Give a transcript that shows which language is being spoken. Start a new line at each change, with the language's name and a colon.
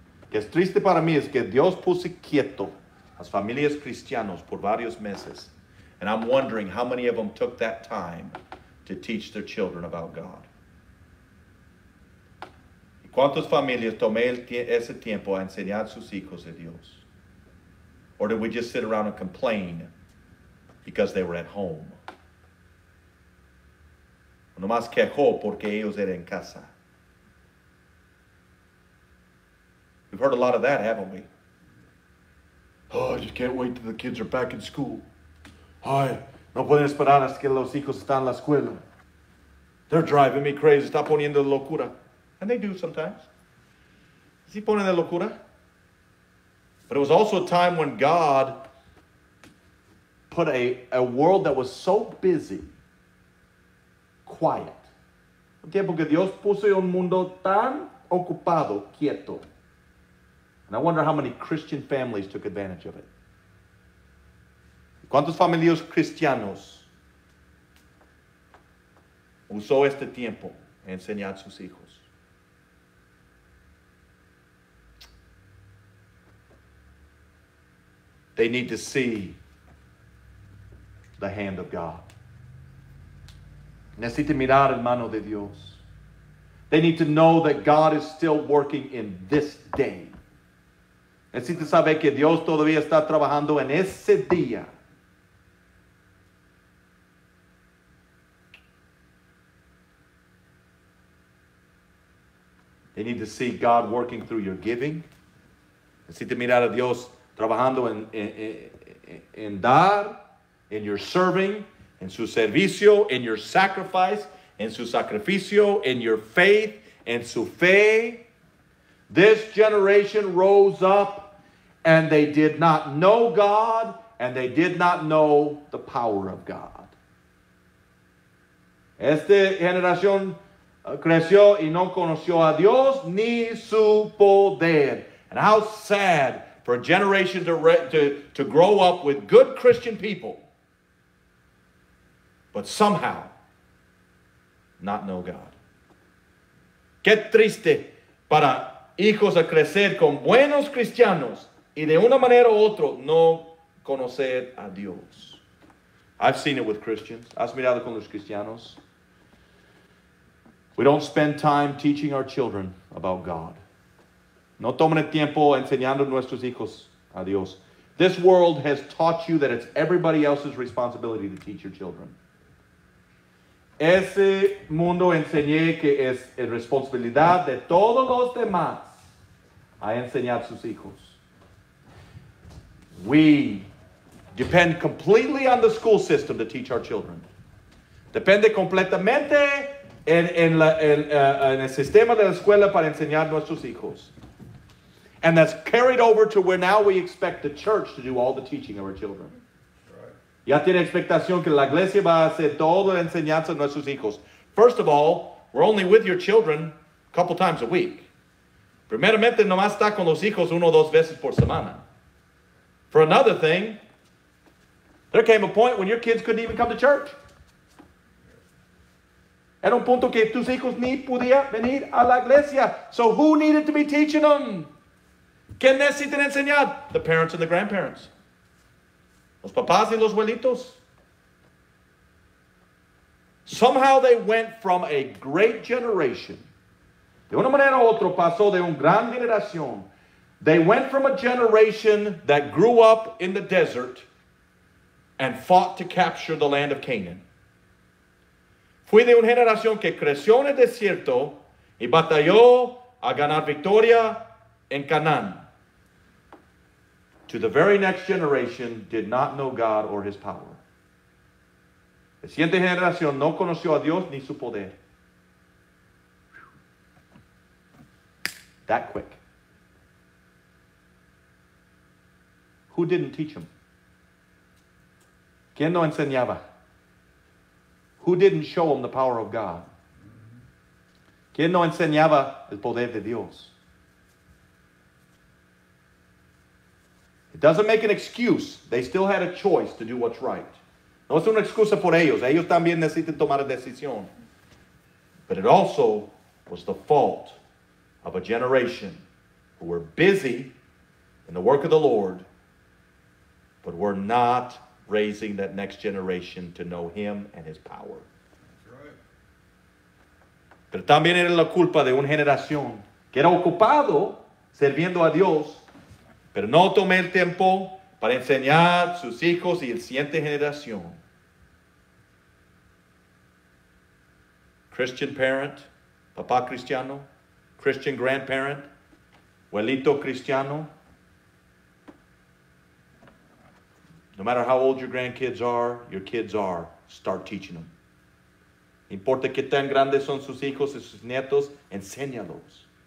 Spanish: Que es triste para mí es que Dios puso quieto las familias cristianas por varios meses.
English: And I'm wondering how many of them took that time to teach their children about God.
Spanish: ¿Y cuántas familias tomé ese tiempo a enseñar sus hijos a Dios?
English: Or did we just sit around and complain because they were at home?
Spanish: O nomás quejó porque ellos eran en casa.
English: We've heard a lot of that, haven't we? Oh, I just can't wait till the kids are back in school.
Spanish: Ay, no pueden esperar hasta que los hijos están en la escuela.
English: They're driving me crazy.
Spanish: Está poniendo de locura.
English: And they do sometimes.
Spanish: Sí ponen de locura.
English: But it was also a time when God put a world that was so busy, quiet.
Spanish: Un tiempo que Dios puso un mundo tan ocupado, quieto.
English: And I wonder how many Christian families took advantage of it.
Spanish: ¿Cuántos familias cristianos usó este tiempo a enseñar sus hijos?
English: They need to see the hand of God.
Spanish: Necesitan mirar el mano de Dios.
English: They need to know that God is still working in this day.
Spanish: Necesitas saber que Dios todavía está trabajando en ese día.
English: They need to see God working through your giving.
Spanish: Necesitas mirar a Dios trabajando en dar, en
English: your serving,
Spanish: en su servicio, en
English: your sacrifice,
Spanish: en su sacrificio, en
English: your faith,
Spanish: en su fe.
English: This generation rose up and they did not know God, And they did not know the power of God.
Spanish: Esta generación creció y no conoció a Dios ni su poder.
English: And how sad for a generation to grow up with good Christian people, but somehow not know God.
Spanish: Qué triste para hijos a crecer con buenos cristianos y de una manera u otra no conocer a Dios.
English: I've seen it with Christians.
Spanish: ¿Has mirado con los cristianos?
English: We don't spend time teaching our children about God.
Spanish: No tomen el tiempo enseñando a nuestros hijos a Dios.
English: This world has taught you that it's everybody else's responsibility to teach your children.
Spanish: Ese mundo enseñé que es la responsabilidad de todos los demás a enseñar a sus hijos.
English: We depend completely on the school system to teach our children.
Spanish: Depende completamente en el sistema de la escuela para enseñar a nuestros hijos.
English: And that's carried over to where now we expect the church to do all the teaching of our children.
Spanish: Ya tiene expectación que la iglesia va a hacer toda la enseñanza de nuestros hijos.
English: First of all, we're only with your children a couple times a week.
Spanish: Primeramente, nomás está con los hijos uno o dos veces por semana.
English: For another thing, there came a point when your kids couldn't even come to church.
Spanish: Era un punto que tus hijos ni podía venir a la iglesia.
English: So who needed to be teaching them?
Spanish: ¿Quién necesita enseñar?
English: The parents and the grandparents.
Spanish: Los papás y los abuelitos.
English: Somehow they went from a great generation.
Spanish: De una manera u otra pasó de una gran generación.
English: They went from a generation that grew up in the desert and fought to capture the land of Canaan.
Spanish: Fui de una generación que creció en el desierto y batalló a ganar victoria en Canaán.
English: To the very next generation, did not know God or His power.
Spanish: La siguiente generación no conoció a Dios ni su poder.
English: That quick. Who didn't teach him?
Spanish: ¿Quién no enseñaba?
English: Who didn't show him the power of God?
Spanish: ¿Quién no enseñaba el poder de Dios?
English: Doesn't make an excuse. They still had a choice to do what's right.
Spanish: No es una excusa por ellos. Ellos también necesitan tomar la decisión.
English: But it also was the fault of a generation who were busy in the work of the Lord, but were not raising that next generation to know Him and His power. That's right.
Spanish: Pero también era la culpa de una generación que era ocupado sirviendo a Dios, pero no tomé el tiempo para enseñar sus hijos y el siguiente generación.
English: Christian parent,
Spanish: papá cristiano,
English: Christian grandparent,
Spanish: abuelito cristiano.
English: No matter how old your grandkids are, your kids are, start teaching them.
Spanish: No importa qué tan grandes son sus hijos y sus nietos, enséñalos.